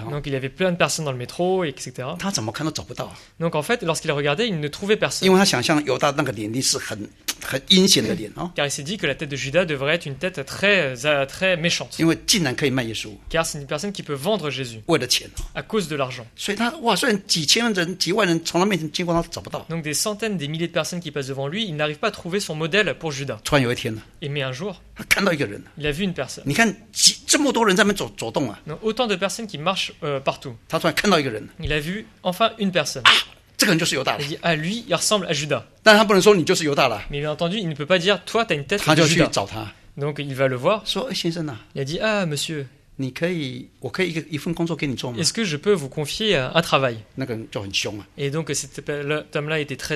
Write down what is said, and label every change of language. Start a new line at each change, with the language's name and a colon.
French: Donc il y avait plein de personnes dans le métro, etc.
Chinese: 他怎么看都找不到。
French: Donc en fait, lorsqu'il regardait, il ne trouvait personne.
Chinese: 因为他想象犹大那个脸是很阴险的脸啊。
French: Car il s'est dit que la tête de Judas devrait être une tête très méchante.
Chinese: 因为竟然可以卖耶稣。
French: Car c'est une personne qui peut vendre Jésus.
Chinese: 为了钱。
French: À cause de l'argent.
Chinese: 所以他哇，虽然几千万人、几万人从他面前经过，他找不到。
French: Donc des centaines, des milliers de personnes qui passent devant lui, il n'arrive pas à trouver son modèle pour Judas.
Chinese: 突然有一天呢。
French: Et mais un jour.
Chinese: 他看到一个人。
French: Il a vu une personne.
Chinese: 你看几这么多人在那边走动啊。
French: Donc autant de personnes qui marchent partout.
Chinese: 他突然看到一个人。
French: Il a vu enfin une personne.
Chinese: 啊，这个人就是犹大了。
French: À lui, il ressemble à Judas.
Chinese: 但他不能说你就是犹大了。
French: Mais bien entendu, il ne peut pas dire toi, t'as une tête de Judas.
Chinese: 他就去找他。
French: Donc il va le voir.
Chinese: 说先生啊。
French: Il a dit ah monsieur.
Chinese: 你可以，我可以一份工作给你做吗
French: ？Est-ce que je peux vous confier un travail？
Chinese: 那个人就很凶啊。
French: Et donc cette homme-là était très